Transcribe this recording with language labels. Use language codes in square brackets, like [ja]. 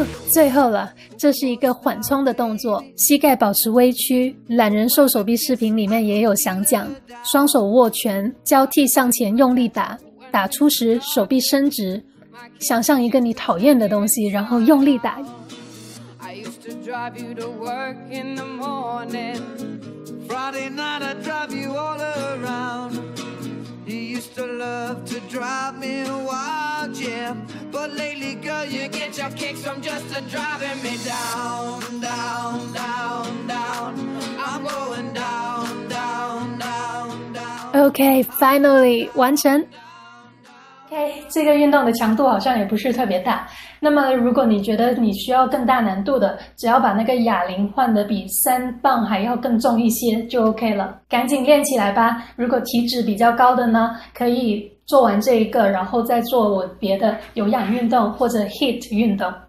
[zh] 最后了，这是一个缓冲的动作，膝盖保持微屈，懒人瘦手臂视频里面也有详讲，双手握拳交替向前用力打，打出时手臂伸直，想象一个你讨厌的东西然后用力打。 [en] I used to drive you to work in the morning. Friday night I'd drive you all around. You used to love to drive me wild, yeah. But lately, girl, you get your kicks from just driving me down, down, down, down. I'm going down, down, down, down. Okay, finally, [zh] 完成。 OK, 这个运动的强度好像也不是特别大，那么如果你觉得你需要更大难度的，只要把那个哑铃换得比三磅还要更重一些就 OK 了，赶紧练起来吧。如果体脂比较高的呢，可以做完这一个然后再做我别的有氧运动或者 HIIT 运动。